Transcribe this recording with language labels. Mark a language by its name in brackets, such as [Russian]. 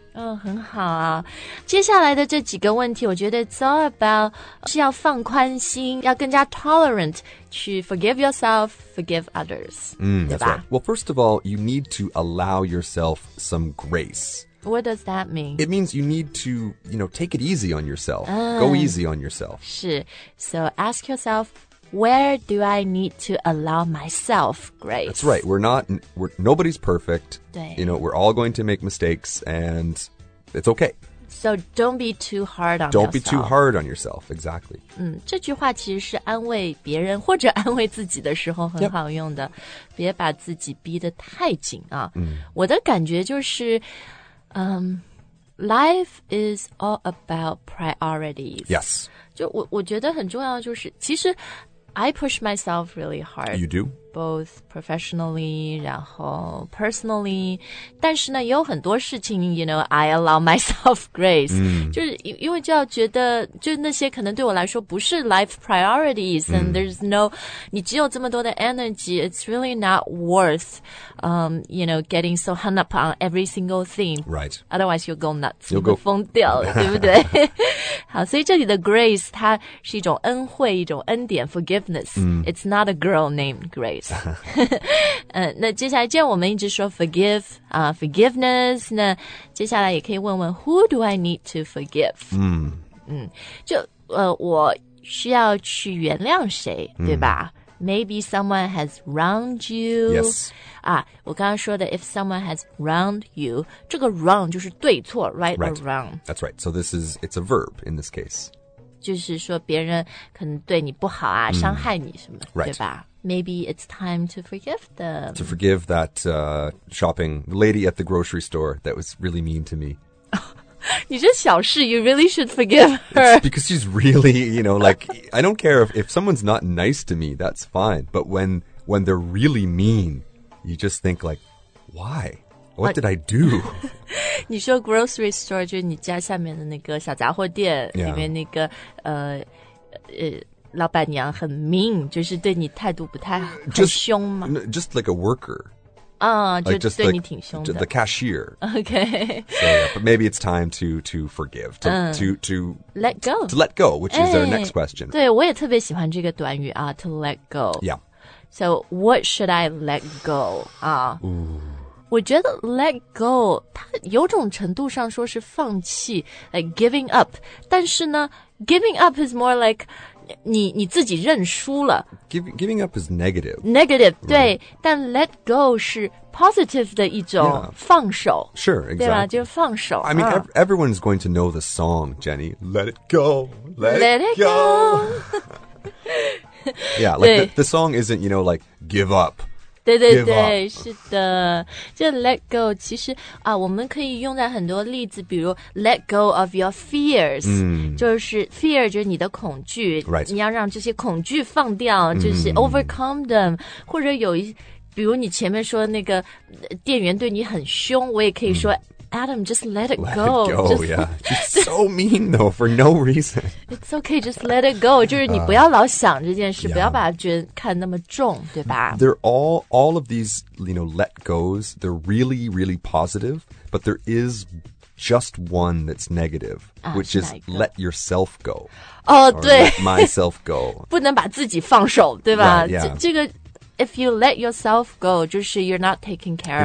[Chinese] 很好啊。接下来的这几个问题我觉得 [English] it's all about [Chinese] 是要放宽心要更加 tolerant 去 [English] forgive yourself, forgive others. [Chinese] 对吧? [English] Right. Well, first of all, you need to allow yourself some grace. What does that mean? It means you need to, you know, take it easy on yourself.、Go easy on yourself. [Chinese] 是。 [English] So ask yourself, where do I need to allow myself grace? That's right. Nobody's perfect. [Chinese] 对。 [English] You know, we're all going to make mistakes and it's okay. So don't be too hard on don't Don't be too hard on yourself, exactly. [Chinese] 这句话其实是安慰别人或者安慰自己的时候很好用的。 [English] Yep. [Chinese] 别把自己逼得太紧啊。我的感觉就是 [English] life is all about priorities. Yes. [Chinese] 就我觉得很重要的就是其实 [English] I push myself really hard. You do? Both professionally, 然后 personally. [Chinese] 但是呢也有很多事情 [English] you know, I allow myself grace.、 [Chinese] 就是因为就要觉得就那些可能对我来说不是 [English] life priorities,、 and there's no, [Chinese] 你只有这么多的 energy, [English] it's really not worth, you know, getting so hung up on every single thing. Right. Otherwise, you'll go nuts. You'll go [Chinese] 疯掉了对不对好所以这里的 grace, 它是一种恩惠一种恩典 forgiveness.、 [English] It's not a girl named grace. [Chinese] 那接下来既然我们一直说 forgive,、forgiveness, 那接下来也可以问问 [English] who do I need to forgive?、 [Chinese] 我需要去原谅谁、对吧 ? [English] Maybe someone has wronged you. Yes.、 [Chinese] 我刚刚说的 [English] if someone has wronged you, [Chinese] 这个 wrong 就是对错 right, [English] right or wrong. That's right. So this is, it's a verb in this case. [Chinese] 就是说别人可能对你不好啊、伤害你什么、 [English] right. 对吧Maybe it's time to forgive them. To forgive that shopping lady at the grocery store that was really mean to me. [Chinese] 你这小事, [English] you really should forgive her. It's because she's really, you know, like, I don't care if someone's not nice to me, that's fine. But when they're really mean, you just think like, why? What did I do? [Chinese] 你说 grocery store, 就是你家下面的那个小杂货店、 [English] yeah. [Chinese] 里面那个老板娘很 mean, 就是对你态度不太好 [English] just, [Chinese] 很凶吗 [English] Just like a worker. [Chinese] 就对 [English] like, [Chinese] 你挺凶的。 [English] The cashier. Okay. So, yeah, but maybe it's time to forgive, to let go. To let go, which is our next question. [Chinese] 对我也特别喜欢这个短语啊 [English] to let go. Yeah. So what should I let go? [Chinese] 我觉得 let go, 它有种程度上说是放弃 [English] like giving up. [Chinese] 但是呢 [English] giving up is more like, [Chinese] 你自己认输了 [English] giving up is negative negative、right. [Chinese] 对但 let go 是 positive 的一种放手、 [English] yeah. sure exactly [Chinese] 对吧就是放手 [English] I mean everyone is going to know the song Jenny let it go let it go yeah like the song isn't you know like give up [Chinese] 对对对是的就 let go 其实啊我们可以用在很多例子比如 [English] let go of your fears、 [Chinese] 就是 fear 就是你的恐惧、 [English] right. [Chinese] 你要让这些恐惧放掉就是 [English] overcome them、 [Chinese] 或者有一比如你前面说那个店员对你很凶我也可以说、 [English] Adam, just let it go. Let it go, just, yeah. She's so mean, though, for no reason. It's okay, just let it go. [Chinese] 就是你不要老想这件事、不要把它觉得看那么重对吧 [English] They're all of these, you know, let goes, they're really, really positive, but there is just one that's negative, which is let yourself go. [Chinese] 哦、oh, 对 [English] let myself go. [Chinese] 不能把自己放手对吧 [English] right, yeah. 这个 if you let yourself go, 就是 you're not taking care of yourself.